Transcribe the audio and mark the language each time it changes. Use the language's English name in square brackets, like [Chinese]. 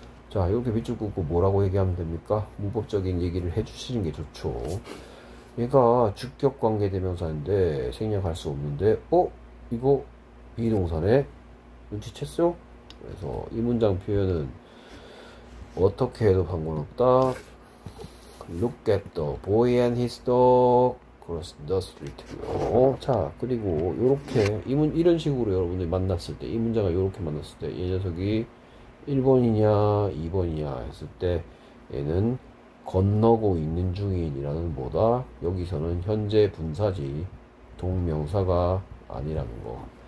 [Korean] 자, 이렇게 밑줄 긋고 뭐라고 얘기하면 됩니까? 문법적인 얘기를 해주시는 게 좋죠. 얘가 주격 관계 대명사인데 생략할 수 없는데, 어? 이거 비동사네? 눈치챘어? 그래서 이 문장 표현은 어떻게 해도 상관없다. [English] Look at the boy and his dog cross the street고요. [Korean] 자, 그리고 요렇게 이런 식으로 여러분들이 만났을 때, 이 문장을 요렇게 만났을 때, 얘 녀석이 1번이냐, 2번이냐 했을 때, 얘는 건너고 있는 중인이라는 보다 여기서는 현재 분사지 동명사가 아니라는 거.